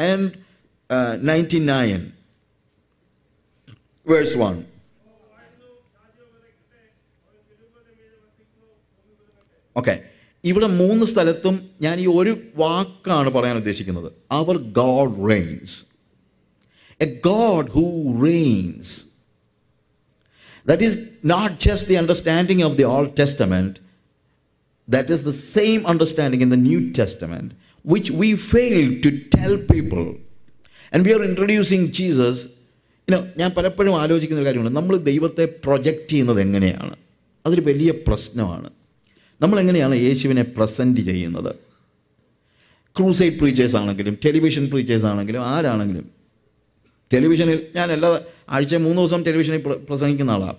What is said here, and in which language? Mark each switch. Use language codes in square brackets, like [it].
[en] And 99 verse 1. [ml] Okay, ഇവിടെ മൂന്ന് സ്ഥലത്തും ഞാൻ ഈ ഒരു വാക്കാണ് പറയാൻ ഉദ്ദേശിക്കുന്നത്, [en] അവർ God reigns. A God who reigns. That is not just the understanding of the Old Testament. That is the same understanding in the New Testament, which we fail to tell people. And we are introducing Jesus. [ml] ഞാൻ പലപ്പോഴും ആലോചിക്കുന്ന ഒരു കാര്യമാണ്, നമ്മൾ ദൈവത്തെ project ചെയ്യുന്നത് എങ്ങനെയാണ്? അതൊരു വലിയ പ്രശ്നമാണ്. നമ്മളെങ്ങനെയാണ് യേശുവിനെ പ്രസൻറ്റ് ചെയ്യുന്നത്? ക്രൂസൈഡ് പ്രീച്ചേഴ്സ് ആണെങ്കിലും ടെലിവിഷൻ പ്രീച്ചേഴ്സ് ആണെങ്കിലും ആരാണെങ്കിലും, ടെലിവിഷനിൽ ഞാൻ എല്ലാ ആഴ്ച മൂന്ന് ദിവസം ടെലിവിഷനിൽ പ്രസംഗിക്കുന്ന ആളാണ്.